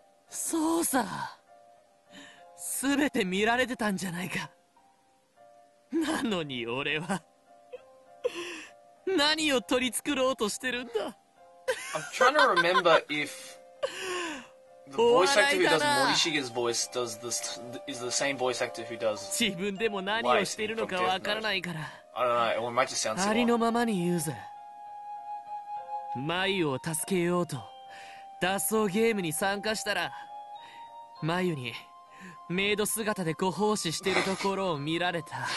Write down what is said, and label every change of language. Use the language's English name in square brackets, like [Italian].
[Japanese] そうさ、すべて見られてたんじゃないか。なのに俺は何を取り繕ろうとしてるんだ。 [English] I'm trying to remember if the voice actor who does Morishige's voice does this is the same voice actor who does [Japanese] 自分でも何をしているのかわからないから。 [English] I don't know. It might just sound similar. [Japanese] ありのままに言うぜ。マユを助けようと脱走ゲームに参加したら、マユにメイド姿でご奉仕しているところを見られた。